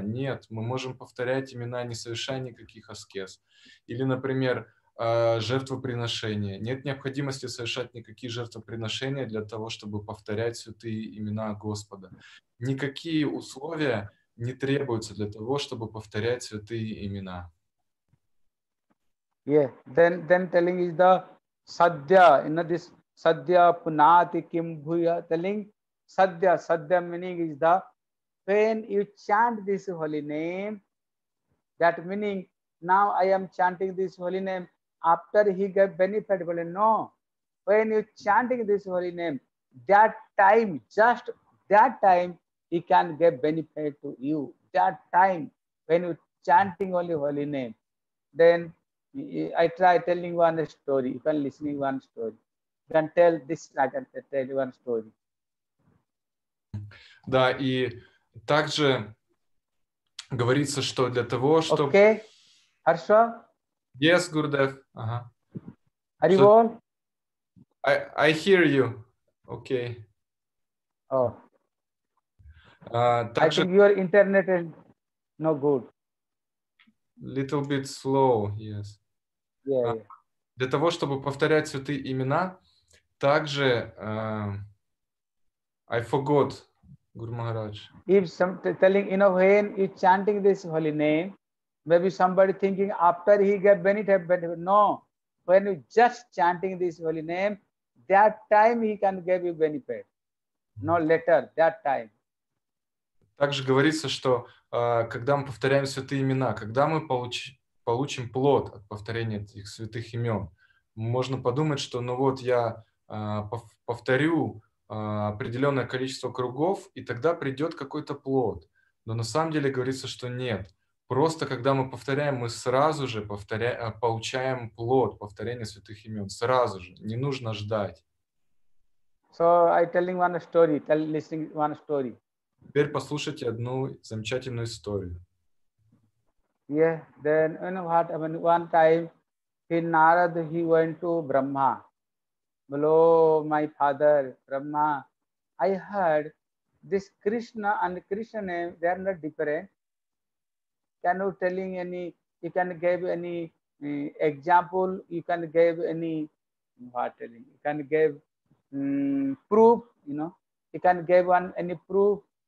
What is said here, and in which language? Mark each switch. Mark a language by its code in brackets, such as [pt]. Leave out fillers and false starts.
[ru] Нет, мы можем повторять имена, не совершая никаких аскез. Или, например, жертвоприношение. Нет необходимости совершать никакие жертвоприношения для того, чтобы повторять святые имена Господа. Никакие условия не требуются для того, чтобы повторять святые имена. [en] Yeah, then telling is the sadhya, in this sadhya punati kim bhuya, telling sadhya, sadhya meaning is the when you chant this holy name, that meaning now I am chanting this holy name after he got benefit. Well, no, when you chanting this holy name, that time, just that time, he can get benefit to you. That time, when you chanting only holy name, then I try telling one story. You can listening one story. You can tell this, I can tell you one story. [ru] Да, и также говорится, что для того, чтобы... [en] Okay. [ru] Хорошо? [en] Yes, Gurudev. [ru] Ага. [en] Are you on? I hear you. Okay. Oh. [ru] Также... [en] I think your internet is no good. Little bit slow, yes. Yeah. [ru] Для того, чтобы повторять святые имена, также [en] I forgot, Guru Maharaj. If some telling, you know, when you chanting this holy name, maybe somebody thinking after he get benefit. No, when you just chanting this holy name, that time he can give you benefit. No, later, that time. [ru] Также говорится, что когда мы повторяем святые имена, когда мы получим плод от повторения этих святых имен. Можно подумать, что ну вот я повторю определенное количество кругов, и тогда придет какой-то плод. Но на самом деле говорится, что нет. Просто когда мы повторяем, мы сразу же получаем плод повторения святых имен. Сразу же. Не нужно ждать. [en] So I telling one story. Listening one story. [ru] Теперь послушайте одну замечательную историю. [en] Yeah, then you know what? I mean, one time, he Narad, he went to Brahma. Hello, my father, Brahma. I heard this Krishna and Krishna name, they are not different. Can you tell any, you can give any example, you can give any, what telling, you can give proof, you know, you can give one any proof.